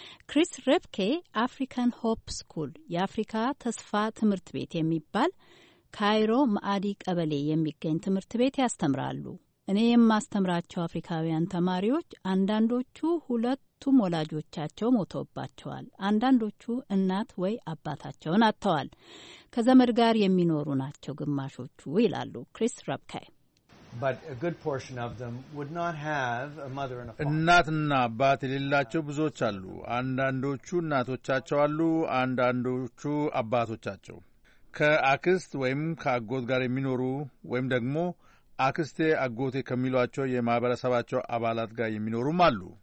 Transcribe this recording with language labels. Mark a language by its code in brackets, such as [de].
[am] ክሪስ ሬፕኬ አፍሪካን ሆፕ ስኩል የአፍሪካ ተስፋ ትምህርት ቤት የሚባል ካይሮ ማአዲ ቀበሌ የሚገኝ ትምህርት ቤት ያስተምራሉ። እኔ የማስተምራቸው አፍሪካውያን ተማሪዎች አንዳንዶቹ ሁለቱም ወላጆቻቸው ሞተውባቸዋል፣ አንዳንዶቹ እናት ወይ አባታቸውን አጥተዋል፣ ከዘመድ ጋር የሚኖሩ ናቸው ግማሾቹ ይላሉ ክሪስ ራፕካይ። [en] But a good portion of them would not have a mother and a father. [am] እናትና አባት የሌላቸው ብዙዎች አሉ። አንዳንዶቹ እናቶቻቸው አሉ፣ አንዳንዶቹ አባቶቻቸው። ከአክስት ወይም ከአጎት ጋር የሚኖሩ ወይም ደግሞ አክስቴ አጎቴ ከሚሏቸው የማህበረሰባቸው አባላት ጋር የሚኖሩም አሉ።